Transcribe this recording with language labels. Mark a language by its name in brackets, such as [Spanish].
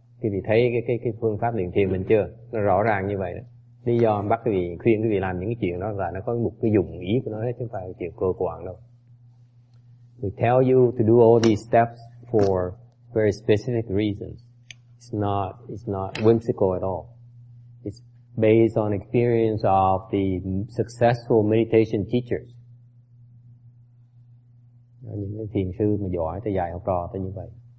[Vietnamese] Quý vị thấy cái phương pháp luyện thiền mình chưa? Nó rõ ràng như vậy đó. Lý do bắt quý vị, khuyên quý vị làm những cái chuyện đó là nó có một cái dụng ý của nó hết, chứ không phải chuyện cơ quan đâu. [English] We tell you to do all these steps for very specific reasons. It's not whimsical at all. It's based on experience of the successful meditation teachers. [Vietnamese] Những cái thiền sư mà giỏi tới dạy học trò tới như vậy.